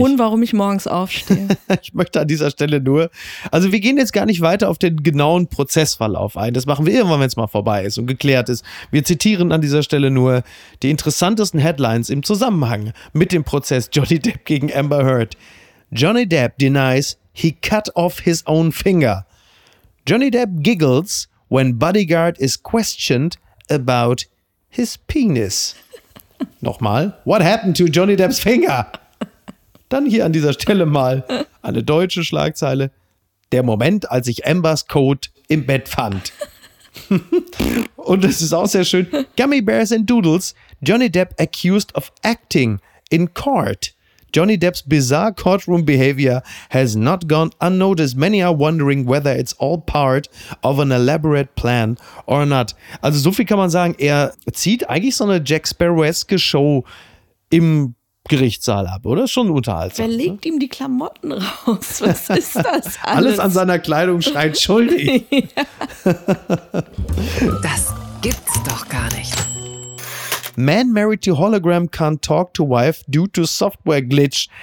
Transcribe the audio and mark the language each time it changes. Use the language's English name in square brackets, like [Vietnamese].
[German] Grund, warum ich morgens aufstehe. Ich möchte an dieser Stelle nur, also wir gehen jetzt gar nicht weiter auf den genauen Prozessverlauf ein. Das machen wir irgendwann, wenn es mal vorbei ist und geklärt ist. Wir zitieren an dieser Stelle nur die interessantesten Headlines im Zusammenhang mit dem Prozess Johnny Depp gegen Amber Heard. [English] Johnny Depp denies he cut off his own finger. Johnny Depp giggles when bodyguard is questioned about his penis. [German] Nochmal, [English] what happened to Johnny Depps finger? [German] Dann hier an dieser Stelle mal eine deutsche Schlagzeile. Der Moment, als ich Ambers Coat im Bett fand. Und es ist auch sehr schön. [English] Gummy Bears and Doodles, Johnny Depp accused of acting in court. Johnny Depps bizarre courtroom behavior has not gone unnoticed. Many are wondering whether it's all part of an elaborate plan or not. [German] Also so viel kann man sagen, er zieht eigentlich so eine Jack Sparrow-eske Show im Gerichtssaal ab, oder? Schon unterhaltsam. Wer legt ihm die Klamotten raus? Was ist das alles? Alles an seiner Kleidung schreit schuldig. Das gibt's doch gar nicht. [English] Man married to hologram can't talk to wife due to software glitch.